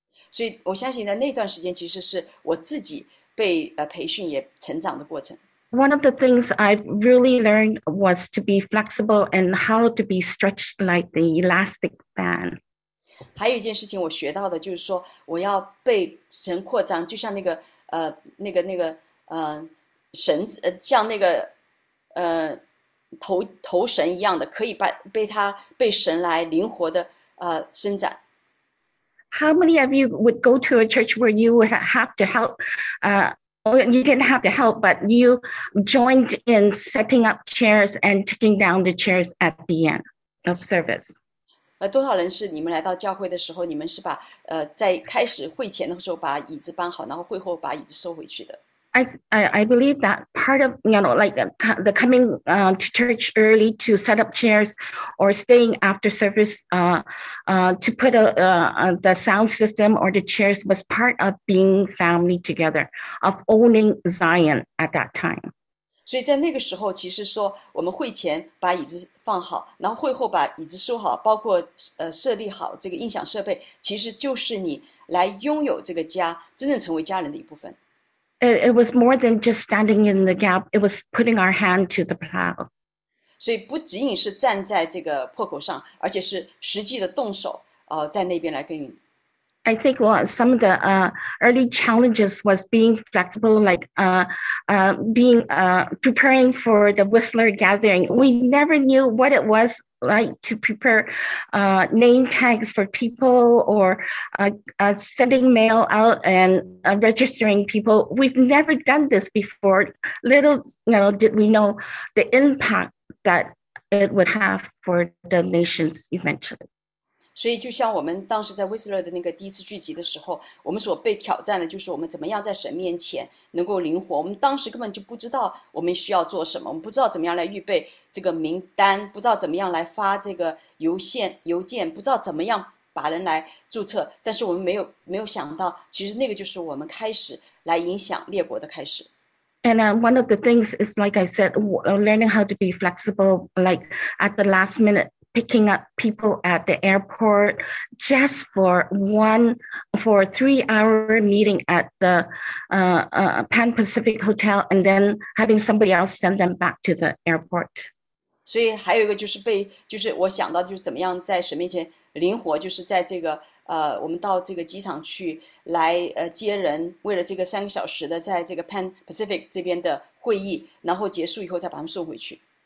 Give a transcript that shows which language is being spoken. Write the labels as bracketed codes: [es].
[zh] 所以我相信在那段时间，其实是我自己被培训也成长的过程。 [en] One of the things I really learned was to be flexible and how to be stretched like the elastic band. [zh] 还有一件事情我学到的就是说，我要被神扩张，就像绳子，像那个头绳一样的，可以被神来灵活的伸展。 [en] How many of you would go to a church where you would have to help? You didn't have to help, but you joined in setting up chairs and taking down the chairs at the end of service. [zh] 多少人是你们来到教会的时候，你们是把在开始会前的时候把椅子搬好，然后会后把椅子收回去的 [en] ？I believe that part of you know like the coming to church early to set up chairs or staying after service to put the sound system or the chairs was part of being family together of owning Zion at that time. [zh] 所以在那个时候，其实说我们会前把椅子放好，然后会后把椅子收好，包括设立好这个音响设备，其实就是你来拥有这个家，真正成为家人的一部分。 [en] It was more than just standing in the gap. It was putting our hand to the plow. [zh] 所以不仅仅是站在这个破口上，而且是实际的动手，在那边来耕耘。 [en] I think some of the early challenges was being flexible, like being preparing for the Whistler gathering. We never knew what it was like to prepare name tags for people or sending mail out and registering people. We've never done this before. Little you know, did we know the impact that it would have for the nations eventually. [zh] 所以就像我们当时在威斯勒的那个第一次聚集的时候，我们所被挑战的就是我们怎么样在神面前能够灵活。我们当时根本就不知道我们需要做什么，我们不知道怎么样来预备这个名单，不知道怎么样来发这个邮件，不知道怎么样把人来注册。但是我们没有想到，其实那个就是我们开始来影响列国的开始。 [en] And one of the things is, like I said, learning how to be flexible, like at the last minute. Picking up people at the airport just for 3-hour meeting at the Pan Pacific Hotel, and then having somebody else send them back to the airport. [zh] 所以还有一个就是被，就是我想到就是怎么样在神面前灵活，就是在这个我们到这个机场去来接人，为了这个3个小时的在这个 Pan Pacific 这边的会议，然后结束以后再把他们送回去。